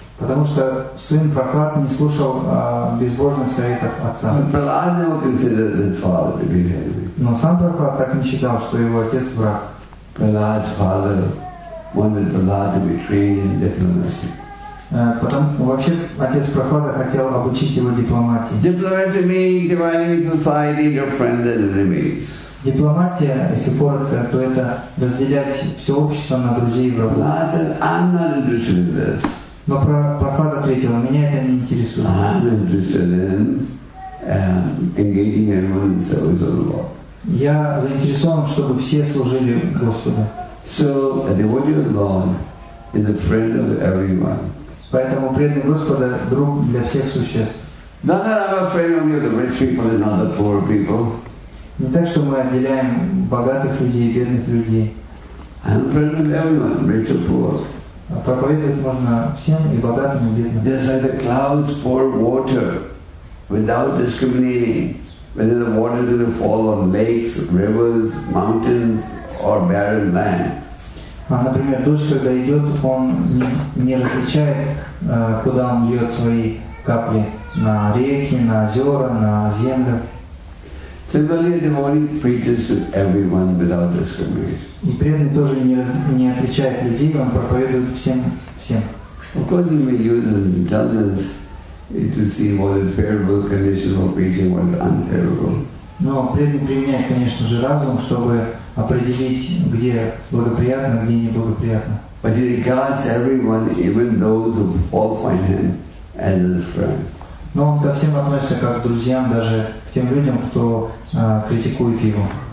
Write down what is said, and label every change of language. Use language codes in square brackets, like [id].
[ru] Потому что сын Прохлад не слушал безбожных советов отца. Прохлада не [en] considered his father to be his enemy. [ru] Но сам Прохлад так не считал, что его отец враг. [en] Прохлад's father wanted Prahlad to be trained in diplomacy. [ru] Вообще отец Прохлада хотел обучить его дипломатии. [en] Diplomacy means dividing society into friends and enemies. [ru] Дипломатия, если коротко, то это разделять все общество на друзей и врагов. [en] Prahlad said, I'm not interested in this. [ru] Но Прохлад ответил, меня это не интересует. [en] I'm interested in engaging everyone in service of the Lord. [ru] Я заинтересован, чтобы все служили Господу. [en] So a devotee of the Lord is a friend of everyone. [ru] Поэтому преданный Господа друг для всех существ. [en] Not that I'm afraid only of the rich people and not the poor people. [ru] Не так, что мы отделяем богатых людей и бедных людей. [en] I'm a friend of everyone, rich or poor. [ru] Проповедовать можно всем и богатым и бедным. [en] Just like the clouds pour water without discriminating, whether the water is going to fall on lakes, rivers, mountains, or barren land. [ru] Например, дождь, когда идет, он не различает, куда он льет свои капли, на реки, на озера, на землю. [en] Similarly, the devotee preaches to everyone without discrimination. [ru] И преданный тоже не отличает людей, он проповедует всем. [en] Of course, he may use his intelligence to see what is favorable condition for preaching, what is unfavorable. [ru] Но преданный применяет, конечно же, разум, чтобы определить, где благоприятно, где неблагоприятно. [en] But he regards everyone, even those who fall find him, as his friend. [ru] Но он ко всем относится как к друзьям, даже к тем людям, кто критикует его.